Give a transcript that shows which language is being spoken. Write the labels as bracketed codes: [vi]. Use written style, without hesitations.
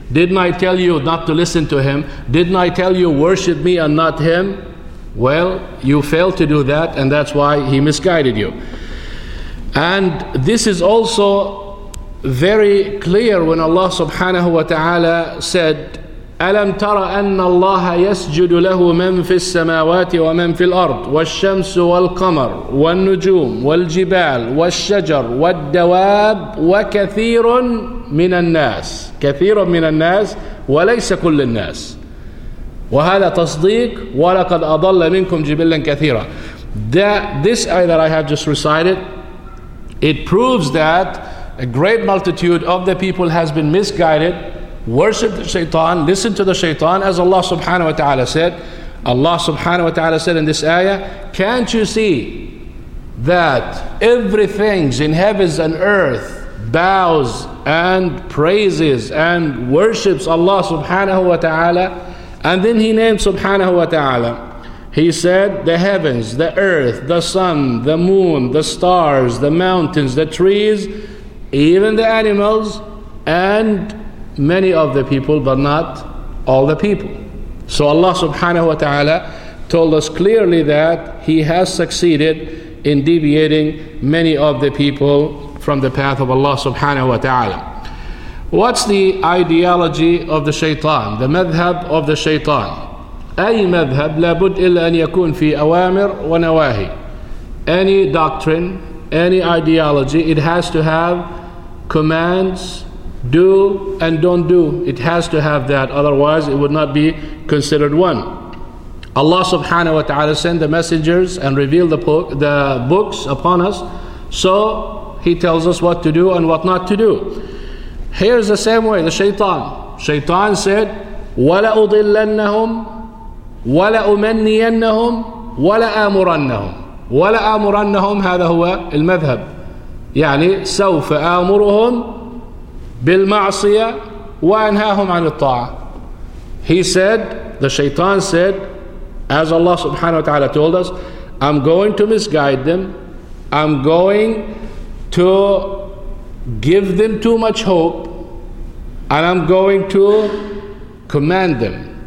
[en] Didn't I tell you not to listen to him? Didn't I tell you worship me and not him? Well, you failed to do that, and that's why he misguided you. And this is also very clear when Allah subhanahu wa ta'ala said, [ar] ألم تر أن الله يسجد له من في السماوات ومن في الأرض والشمس والقمر والنجوم والجبال والشجر والدواب وكثير من الناس، كثير من الناس وليس كل الناس. وهذا تصديق ولقد أضل منكم جبلا كثيرا. [en] This ayah that I have just recited, it proves that a great multitude of the people has been misguided, worship the shaitan, listen to the shaitan, as Allah subhanahu wa ta'ala said. Allah subhanahu wa ta'ala said in this ayah, can't you see that everything in heavens and earth bows and praises and worships Allah subhanahu wa ta'ala? And then he named subhanahu wa ta'ala. He said, the heavens, the earth, the sun, the moon, the stars, the mountains, the trees, even the animals, and many of the people, but not all the people. So Allah subhanahu wa ta'ala told us clearly that He has succeeded in deviating many of the people from the path of Allah subhanahu wa ta'ala. What's the ideology of the shaitan, the madhab of the shaitan? [ar] أي مذهب لابد إلا أن يكون في أوامر ونواهي. [en] Any doctrine, any ideology, it has to have commands, do and don't do. It has to have that, otherwise it would not be considered one. Allah subhanahu wa ta'ala sent the messengers and revealed the books upon us, so He tells us what to do and what not to do. Here's the same way, the shaitan. Shaitan said, [ar] وَلَأُضِلَّنَّهُمْ وَلَأُمَنِّيَنَّهُمْ وَلَأَمُرَنَّهُمْ وَلَأَمُرَنَّهُمْ. هذا هو المذهب، يعني سوف آمرهم بالمعصية وأنهاهم عن الطاعة. [en] He said, the shaitan said, as Allah subhanahu wa ta'ala told us, I'm going to misguide them, I'm going to give them too much hope, and I'm going to command them.